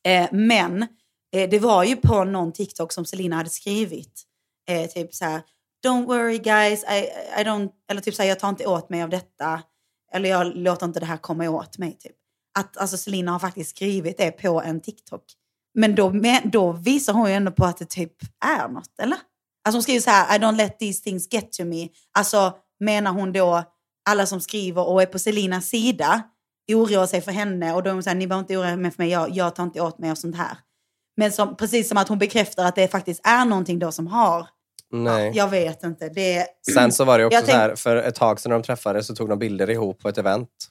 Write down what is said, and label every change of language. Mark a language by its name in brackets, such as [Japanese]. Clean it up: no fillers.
[Swedish] Men det var ju på någon TikTok som Selena hade skrivit. Typ så här, [English] don't worry guys, I don't, [Swedish] eller typ så här, jag tar inte åt mig av detta. Eller jag låter inte det här komma åt mig, typ. Att alltså Selena har faktiskt skrivit det på en TikTok. Men då visar hon ju ändå på att det typ är något, eller? Alltså hon skriver så här, [English] I don't let these things get to me. [Swedish] Alltså menar hon då alla som skriver och är på Selenas sida oroar sig för henne, och då är hon så här, ni behöver inte oroa mig för mig, jag tar inte åt mig av sånt här. Men som, precis som att hon bekräftar att det faktiskt är någonting då som har. Nej. Ja, jag vet inte. Det, sen så var det också så här, för ett tag sedan de träffades så tog de bilder ihop på ett event.